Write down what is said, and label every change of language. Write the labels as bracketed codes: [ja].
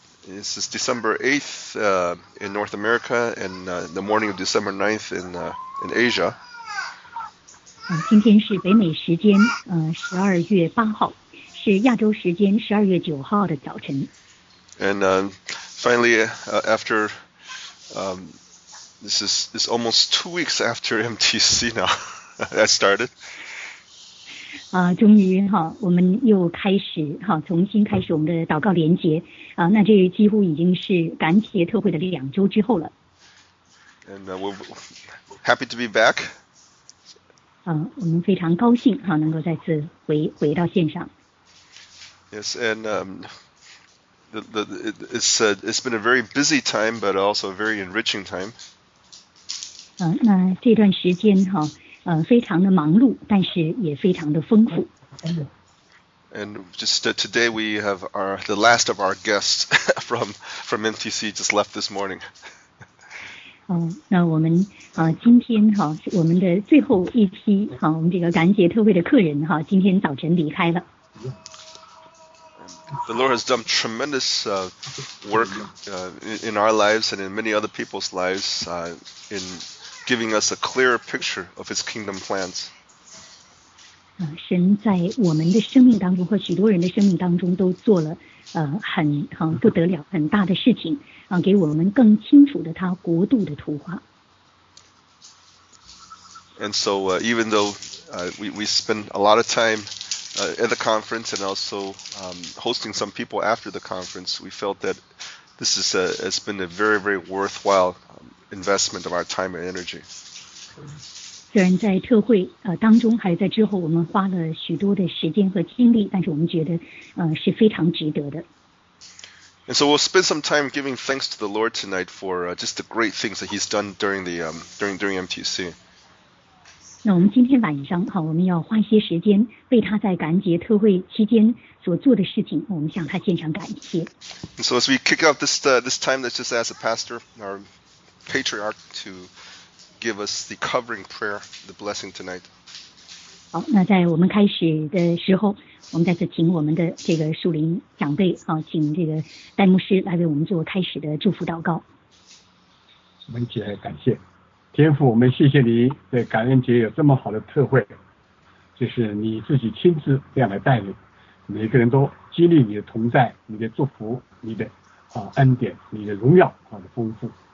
[en] This is December 8th in North America and the morning of December 9th in Asia. [zh] 今天是北美时间12月8号，是亚洲时间12月9号的早晨。 [en] And finally, after, this is almost 2 weeks after MTC now that started. [zh] 终于哈，我们又开始哈，重新开始我们的祷告连结啊，那这几乎已经是感谢特会的两周之后了。 [en] And we're happy to be back. [zh] 我们非常高兴哈，能够再次回到线上。 [en] Yes, and it's been a very busy time, but also a very enriching time. [zh] 那这段时间哈。非常的忙碌，但是也非常的丰富。 [en] And just today we have the last of our guests from MTC just left this morning. [zh] 那我们今天哈，我们的最后一批哈，我们这个感恩节特会的客人哈，今天早晨离开了。 [en] The Lord has done tremendous work in our lives and in many other people's lives in. Giving us a clearer picture of His kingdom plans. [zh] 神在我们的生命当中和许多人的生命当中都做了很不得了很大的事情给我们更清楚的他国度的图画。 [en] And so even though we spend a lot of time at the conference and also hosting some people after the conference, we felt that this is has been a very, very worthwhile. Investment of our time and energy. [zh] 虽然在特会当中还在之后，我们花了许多的时间和精力，但是我们觉得是非常值得的。 [en] And so we'll spend some time giving thanks to the Lord tonight for just the great things that He's done during the during MTC. [zh] 那我们今天晚上哈，我们要花一些时间为他在感恩节特会期间所做的事情，我们向他献上感谢。 [en] And so as we kick off this this time, let's just ask the pastor our Patriarch to give us the covering prayer, the blessing tonight. [zh] 好，那在我们开始的时候，我们再次请我们的这个树林长辈啊，请这个戴牧师来为我们做开始的祝福祷告。我们起来感谢天父，我们谢谢你在感恩节有这么好的特会，就是你自己亲自这样来带领，每个人都经历你的同在、你的祝福、你的恩典、你的荣耀的丰富。